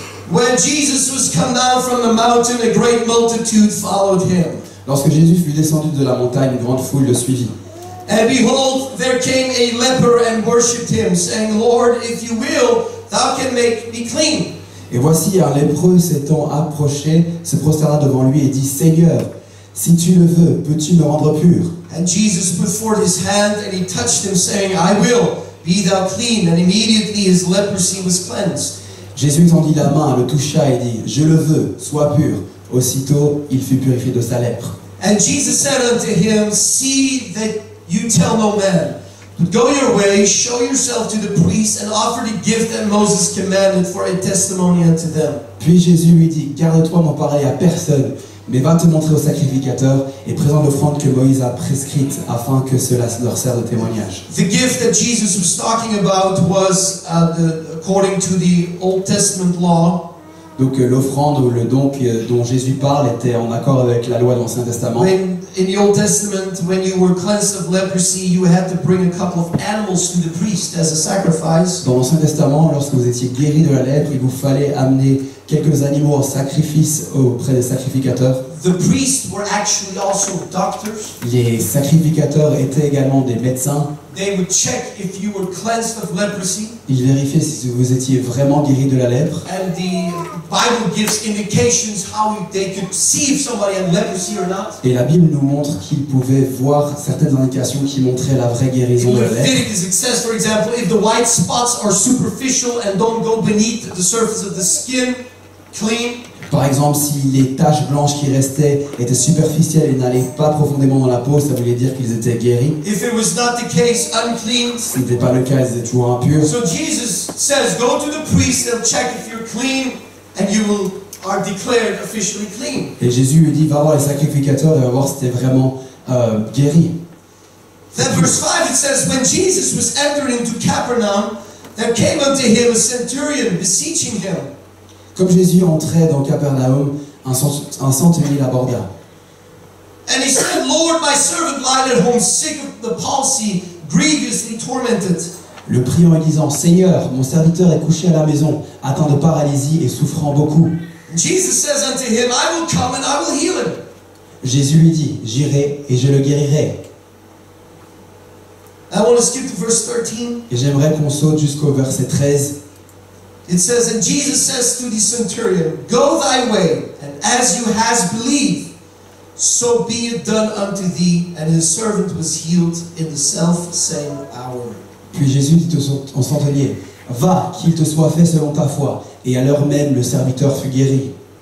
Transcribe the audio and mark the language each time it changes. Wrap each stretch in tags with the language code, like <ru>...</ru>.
<en>When Jesus was come down from the mountain, a great multitude followed him.</en> <fr>Lorsque Jésus fut descendu de la montagne, une grande foule le suivit.</fr> <en>And behold, there came a leper and worshipped him, saying, Lord, if you will, thou can make me clean.</en> <fr>Et voici un lépreux s'étant approché, se prosterna devant lui et dit, Seigneur, si tu le veux, peux-tu me rendre pur?</fr> <en>And Jesus put forth his hand and he touched him, saying, I will. Be thou clean, and immediately his leprosy was cleansed.</en> <fr>Jésus tendit la main, le toucha et dit, Je le veux, sois pur. Aussitôt, il fut purifié de sa lèpre.</fr> <en>And Jesus said unto him, See that you tell no man, but go your way, show yourself to the priests, and offer the gift that Moses commanded for a testimony unto them.</en> <fr>Puis Jésus lui dit, Garde-toi d'en parler à personne, mais va te montrer au sacrificateur et présente l'offrande que Moïse a prescrite afin que cela leur serve de témoignage.</fr> <en>The gift that Jesus was talking about was according to the Old Testament law.</en> <fr>Donc l'offrande ou le don dont Jésus parle était en accord avec la loi de l'Ancien Testament.</fr> <en>When, in the Old Testament, when you were cleansed of leprosy, you had to bring a couple of animals to the priest as a sacrifice.</en> <fr>Dans l'Ancien Testament, lorsque vous étiez guéri de la lèpre, il vous fallait amener quelques animaux en sacrifice auprès des sacrificateurs.</fr> <en>The priests were actually also doctors.</en> <fr>Les sacrificateurs étaient également des médecins.</fr> <en>They would check if you were cleansed of leprosy.</en> <fr>Ils vérifiaient si vous étiez vraiment guéri de la lèpre.</fr> <en>And the Bible gives indications how they could see if somebody had leprosy or not.</en> <fr>Et la Bible nous montre qu'ils pouvaient voir certaines indications qui montraient la vraie guérison de la lèpre.</fr> <en>In Leviticus it says, for example, if the white spots are superficial and don't go beneath the surface of the skin, clean.</en> <fr>Par exemple, si les taches blanches qui restaient étaient superficielles et n'allaient pas profondément dans la peau, ça voulait dire qu'ils étaient guéris.</fr> <en>If it was not the case, unclean.</en> <fr>Si ce n'était pas le cas, ils étaient toujours impurs.</fr> <en>So Jesus says, go to the priest, they'll check if you're clean, and you will are declared officially clean.</en> <fr>Et Jésus lui dit, va voir les sacrificateurs et va voir si t'es vraiment guéri.</fr> <en>Then verse 5, it says, when Jesus was entered into Capernaum, there came unto him a centurion beseeching him.</en> <fr>Comme Jésus entrait dans Capernaum, un centurion l'aborda.</fr> <en>And he said, Lord, my servant lieth at home sick of the palsy, grievously tormented.</en> <fr>Le priant et disant, Seigneur, mon serviteur est couché à la maison, atteint de paralysie et souffrant beaucoup.</fr> <en>Jesus says unto him, I will come and I will heal him.</en> <fr>Jésus lui dit, j'irai et je le guérirai.</fr> <en>I want to skip to verse 13.</en> <fr>Et j'aimerais qu'on saute jusqu'au verset 13.</fr> <en>It says, and Jesus says to the centurion, Go thy way, and as you has believed, so be it done unto thee. And his servant was healed in the self same hour.</en> <fr>Puis Jésus dit au centurion, Va, qu'il te soit fait selon ta foi. Et à l'heure même, le serviteur fut guéri.</fr>